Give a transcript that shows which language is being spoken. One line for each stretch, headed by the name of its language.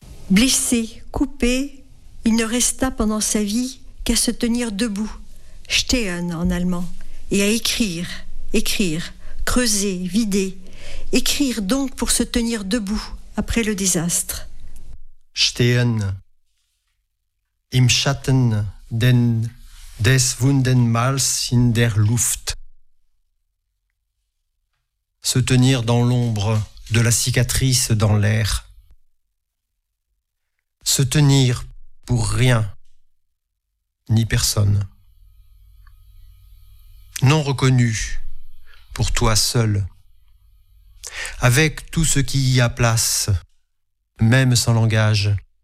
French: Blessé, coupé, il ne resta pendant sa vie qu'à se tenir debout, stehen en allemand, et à écrire, écrire, creuser, vider, écrire donc pour se tenir debout après le désastre.
German: Stehen, im Schatten des wunden Mals in der Luft.
French: Se tenir dans l'ombre de la cicatrice dans l'air. Se tenir pour rien, ni personne. Non reconnu pour toi seul, avec tout ce qui y a place, même sans langage.